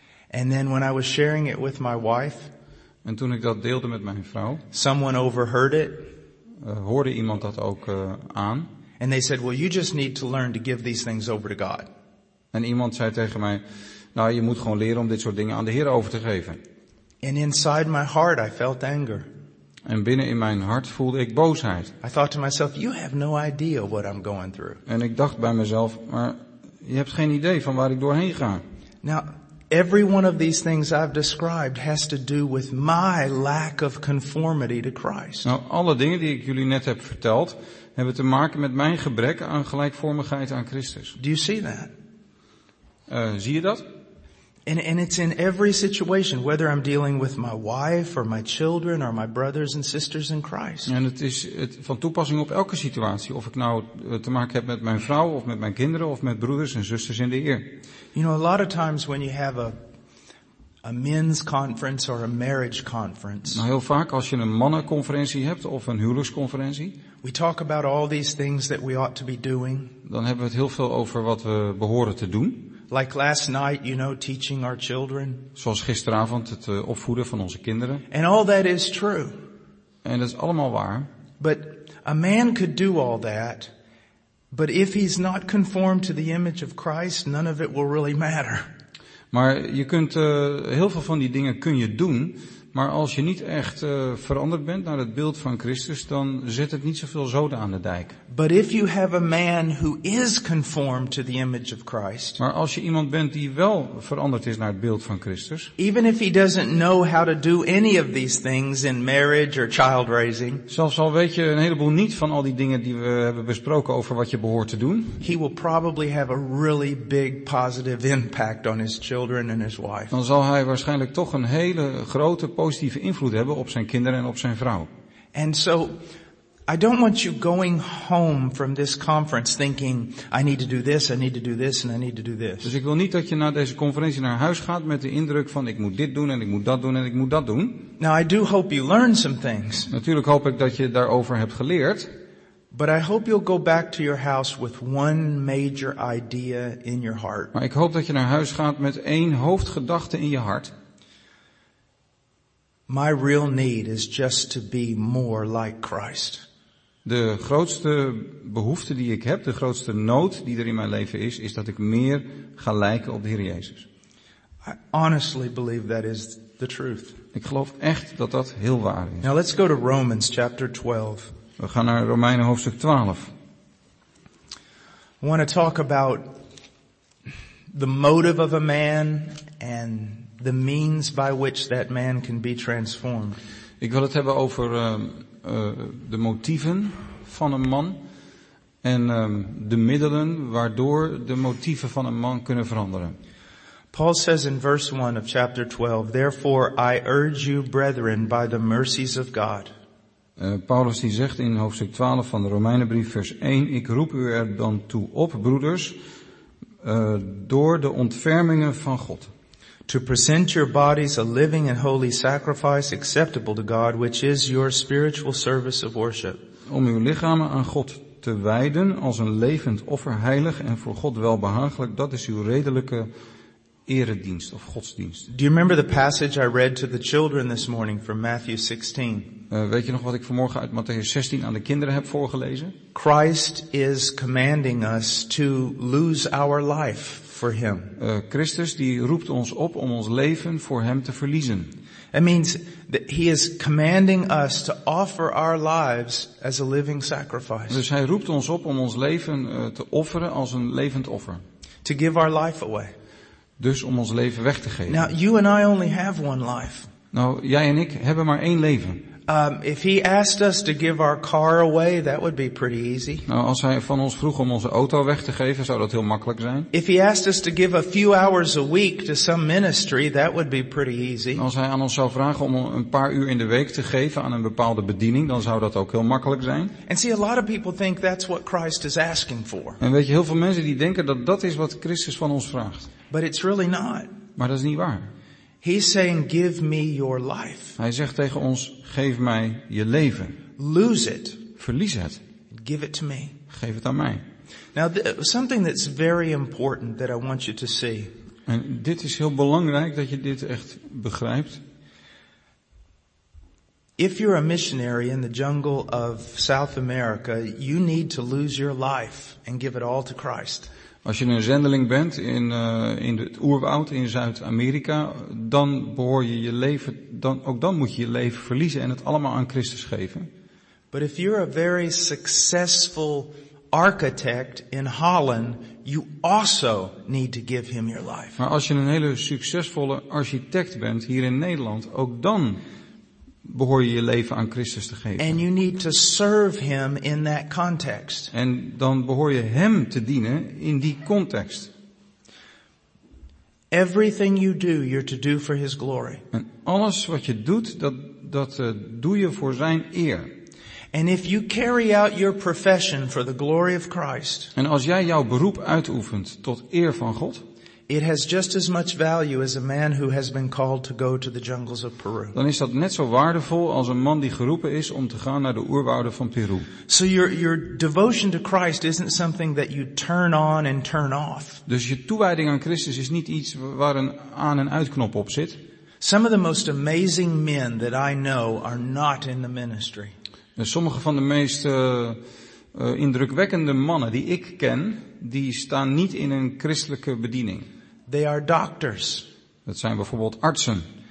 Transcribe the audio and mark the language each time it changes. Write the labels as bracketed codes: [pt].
[en] And then when I was sharing it with my wife, [nl] en toen ik dat deelde met mijn vrouw, [en] someone overheard it. [nl] Hoorde iemand dat ook aan? [en] And they said, "Well, you just need to learn to give these things over to God." [nl] En iemand zei tegen mij, "Nou, je moet gewoon leren om dit soort dingen aan de Heer over te geven." [en] And inside my heart, I felt anger. [nl] En binnen in mijn hart voelde ik boosheid. [en] I thought to myself, "You have no idea what I'm going through." [nl] En ik dacht bij mezelf, maar je hebt geen idee van waar ik doorheen ga. [en] Now, every one of these things I've described has to do with my lack of conformity to Christ. [nl] Nou, alle dingen die ik jullie net heb verteld, hebben te maken met mijn gebrek aan gelijkvormigheid aan Christus. [en] Do you see that? [nl] Zie je dat? [en] And it's in every situation, whether I'm dealing with my wife or my children or my brothers and sisters in Christ. [nl] En het is van toepassing op elke situatie, of ik nou te maken heb met mijn vrouw of met mijn kinderen of met broeders en zusters in de Heer. [en] You know, a lot of times when you have a men's conference or a marriage conference. [nl] Nou, heel vaak als je een mannenconferentie hebt of een huwelijksconferentie. [en] We talk about all these things that we ought to be doing. [nl] Dan hebben we het heel veel over wat we behoren te doen. [en] Like last night, you know, teaching our children. [nl] Zoals gisteravond het opvoeden van onze kinderen. [en] And all that is true. [nl] En dat is allemaal waar. [en] But a man could do all that, but if he's not conformed to the image of Christ, none of it will really matter. [nl] Maar je kunt heel veel van die dingen kun je doen, maar als je niet echt veranderd bent naar het beeld van Christus, dan zet het niet zoveel zoden aan de dijk. [en] But if you have a man who is conformed to the image of Christ. [nl] Maar als je iemand bent die wel veranderd is naar het beeld van Christus. [en] Even if he doesn't know how to do any of these things in marriage or child raising. [nl] Zelfs al weet je een heleboel niet van al die dingen die we hebben besproken over wat je behoort te doen. [en] He will probably have a really big positive impact on his children and his wife. [nl] Dan zal hij waarschijnlijk toch een hele grote positieve invloed hebben op zijn kinderen en op zijn vrouw. [en] And so I don't want you going home from this conference thinking I need to do this, I need to do this and I need to do this. [nl] Dus ik wil niet dat je na deze conferentie naar huis gaat met de indruk van ik moet dit doen en ik moet dat doen en ik moet dat doen. [en] Now I do hope you learn some things. [nl] Natuurlijk hoop ik dat je daarover hebt geleerd. [en] But I hope you'll go back to your house with one major idea in your heart. [nl] Maar ik hoop dat je naar huis gaat met één hoofdgedachte in je hart. [en] My real need is just to be more like Christ. [nl] De grootste behoefte die ik heb, de grootste nood die er in mijn leven is, is dat ik meer ga lijken op de Heer Jezus. [en] I honestly believe that is the truth. [nl] Ik geloof echt dat dat heel waar is. [en] Now let's go to Romans chapter 12. [nl] We gaan naar Romeinen hoofdstuk 12. [en] I want to talk about the motive of a man and the means by which that man can be transformed. [nl] Ik wil het hebben over de motieven van een man en de middelen waardoor de motieven van een man kunnen veranderen. [en] Paul says in verse 1 of chapter 12, "Therefore I urge you, brethren, by the mercies of God." [nl] Paulus die zegt in hoofdstuk 12 van de Romeinenbrief vers 1, "Ik roep u er dan toe op, broeders, door de ontfermingen van God." [en] To present your bodies a living and holy sacrifice acceptable to God, which is your spiritual service of worship. [nl] Om uw lichamen aan God te wijden als een levend offer, heilig en voor God welbehagelijk, dat is uw redelijke eredienst of godsdienst. [en] Do you remember the passage I read to the children this morning from Matthew 16? [nl] Weet je nog wat ik vanmorgen uit Matthäus 16 aan de kinderen heb voorgelezen? [en] Christ is commanding us to lose our life. For him. [nl] Christus die roept ons op om ons leven voor hem te verliezen. [en] It means that he is commanding us to offer our lives as a living sacrifice. [nl] Dus hij roept ons op om ons leven te offeren als een levend offer. [en] To give our life away. [nl] Dus om ons leven weg te geven. [en] Now you and I only have one life. [nl] Nou, jij en ik hebben maar één leven. [en] If he asked us to give our car away, that would be pretty easy. [nl] Nou, als hij van ons vroeg om onze auto weg te geven, zou dat heel makkelijk zijn. [en] If he asked us to give a few hours a week to some ministry, that would be pretty easy. [nl] Als hij aan ons zou vragen om een paar uur in de week te geven aan een bepaalde bediening, dan zou dat ook heel makkelijk zijn. [en] And see, a lot of people think that's what Christ is asking for. [nl] En weet je, heel veel mensen die denken dat dat is wat Christus van ons vraagt. [en] But it's really not. [nl] Maar dat is niet waar. [en] He's saying, "Give me your life." [nl] Hij zegt tegen ons: geef mij je leven. [en] Lose it. [nl] Verlies het. [en] Give it to me. [nl] Geef het aan mij. [en] Now, something that's very important that I want you to see. [nl] En dit is heel belangrijk dat je dit echt begrijpt. [en] If you're a missionary in the jungle of South America, you need to lose your life and give it all to Christ. [nl] Als je een zendeling bent in het oerwoud in Zuid-Amerika, dan behoor je je leven, dan ook dan moet je je leven verliezen en het allemaal aan Christus geven. [en] But if you're a very successful architect in Holland, you also need to give him your life. [nl] Maar als je een hele succesvolle architect bent hier in Nederland, ook dan behoor je je leven aan Christus te geven. [en] And you need to serve him in that context. [nl] En dan behoor je hem te dienen in die context. [en] Everything you do, you're to do for his glory. [nl] En alles wat je doet, dat doe je voor zijn eer. [en] And if you carry out your profession for the glory of Christ. [nl] En als jij jouw beroep uitoefent tot eer van God. [en] It has just as much value as a man who has been called to go to the jungles of Peru. [nl] Dan is dat net zo waardevol als een man die geroepen is om te gaan naar de oerwouden van Peru. [en] So your devotion to Christ isn't something that you turn on and turn off. [nl] Dus je toewijding aan Christus is niet iets waar een aan- en uitknop op zit. [en] Some of the most amazing men that I know are not in the ministry. [nl] Sommige van de meest indrukwekkende mannen die ik ken, die staan niet in een christelijke bediening. [en] They are doctors. [nl] Dat zijn bijvoorbeeld artsen.